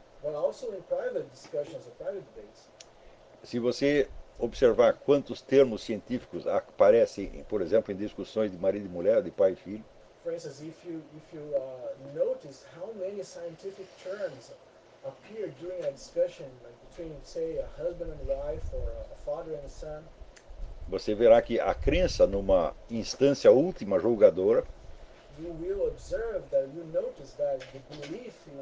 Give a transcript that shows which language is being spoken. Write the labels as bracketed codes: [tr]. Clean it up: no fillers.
[en] But also in private discussions or private debates. [pt] Se você observar quantos termos científicos aparecem, por exemplo, em discussões de marido e mulher, de pai e filho. [en] For instance, if you notice how many scientific terms appear during a discussion like between, say, a husband and wife or a father and a son, [pt] você verá que a crença numa instância última julgadora, [en] you will observe that, you notice that the belief